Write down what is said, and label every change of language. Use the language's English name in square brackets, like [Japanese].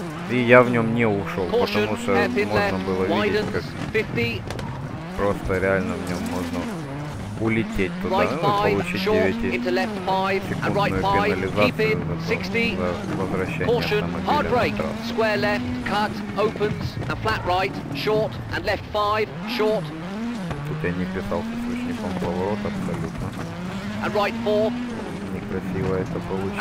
[Russian] И я в нем не ушел, потому что можно было видеть, как просто реально в нем можно улететь туда, ну, и получить 9-секундную пенализацию за возвращение автомобиля на трассу. [English] Square left, cut, opens, and flat right, short, and left 5, short. [Russian] Тут я не писался с ручником поворот абсолютно. [English] And right 4. [Russian] Некрасиво это получилось.